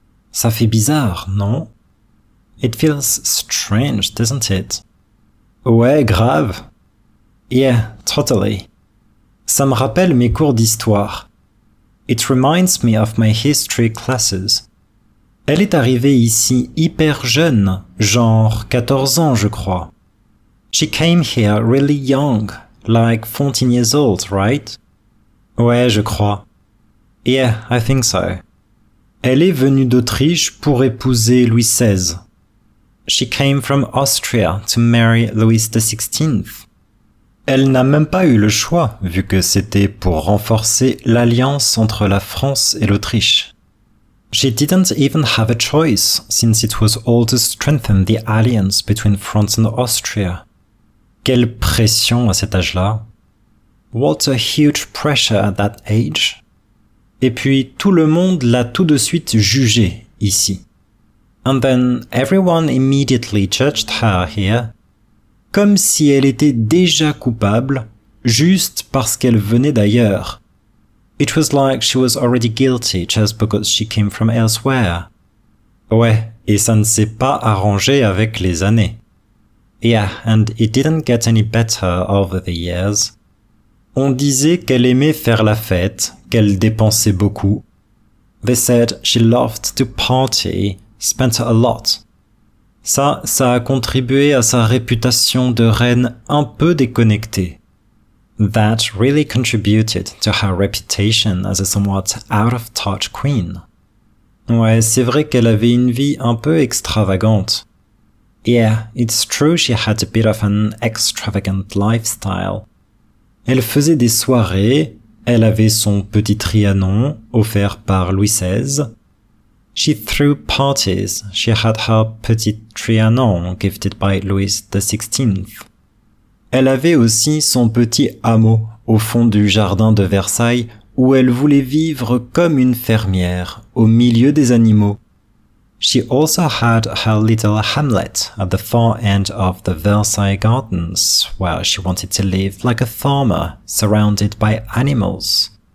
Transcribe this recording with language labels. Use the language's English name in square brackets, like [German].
[French] Ça fait bizarre, non? [English] It feels strange, doesn't it? [French] Ouais, grave. [English] Yeah, totally. [French] Ça me rappelle mes cours d'histoire. [English] It reminds me of my history classes. [French] Elle est arrivée ici hyper jeune, genre 14 ans, je crois. [English] She came here really young, like 14 years old, right? [French] Ouais, je crois. [English] Yeah, I think so. [French] Elle est venue d'Autriche pour épouser Louis XVI. [English] She came from Austria to marry Louis XVI. [French] Elle n'a même pas eu le choix, vu que c'était pour renforcer l'alliance entre la France et l'Autriche. [English] She didn't even have a choice, since it was all to strengthen the alliance between France and Austria. [French] Quelle pression à cet âge-là. [English] What a huge pressure at that age. [French] Et puis, tout le monde l'a tout de suite jugée, ici. [English] And then, everyone immediately judged her here. [French] Comme si elle était déjà coupable, juste parce qu'elle venait d'ailleurs. [English] It was like she was already guilty just because she came from elsewhere. [French] Ouais, et ça ne s'est pas arrangé avec les années. [English] Yeah, and it didn't get any better over the years. [French] On disait qu'elle aimait faire la fête, qu'elle dépensait beaucoup. [English] They said she loved to party, spent a lot. [French] Ça a contribué à sa réputation de reine un peu déconnectée. [English] That really contributed to her reputation as a somewhat out-of-touch queen. [French] Ouais, c'est vrai qu'elle avait une vie un peu extravagante. [English] Yeah, it's true she had a bit of an extravagant lifestyle. [French] Elle faisait des soirées, elle avait son petit Trianon offert par Louis XVI. [English] She threw parties, she had her petit Trianon gifted by Louis XVI. [French] Elle avait aussi son petit hameau au fond du jardin de Versailles où elle voulait vivre comme une fermière au milieu des animaux. [English] She also had her little hamlet at the far end of the Versailles Gardens, where she wanted to live like a farmer, surrounded by animals.